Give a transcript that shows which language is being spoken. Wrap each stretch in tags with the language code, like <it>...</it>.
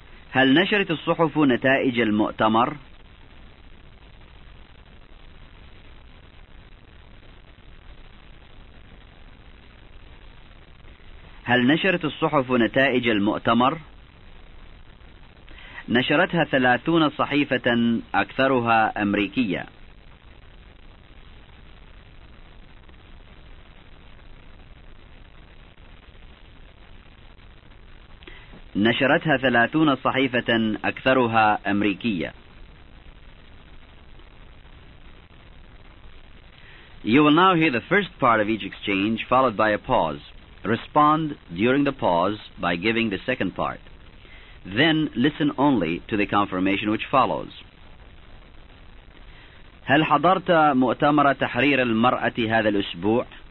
<ar>هل نشرت الصحف نتائج المؤتمر؟ هل نشرت الصحف نتائج المؤتمر؟ نشرتها 30 صحيفة أكثرها أمريكية. نشرتها 30 صحيفة أكثرها أمريكية.</ar> <en>You will now hear the first part of each exchange followed by a pause. Respond during the pause by giving the second part. Then listen only to the confirmation which follows.</en> <ar>هل حضرت مؤتمر تحرير المرأة هذا الأسبوع؟</ar>